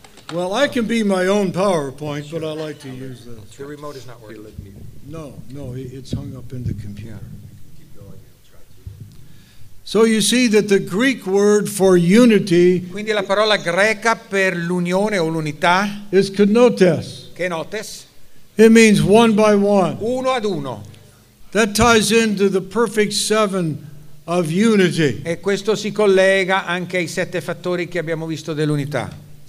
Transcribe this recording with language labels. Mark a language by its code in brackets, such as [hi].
[en] Well, I can be my own PowerPoint, sure. But I like to use this. The remote is not working. No, it's hung up in the computer. Yeah. Keep going. So you see that the Greek word for unity. [it] Quindi la parola greca per l'unione o l'unità. [en] Is kenotes. [el] Kenotes. [en] It means one by one. [it] Uno ad uno. [en] That ties into the perfect seven of unity. [it] E questo si collega anche ai sette fattori che abbiamo visto dell'unità.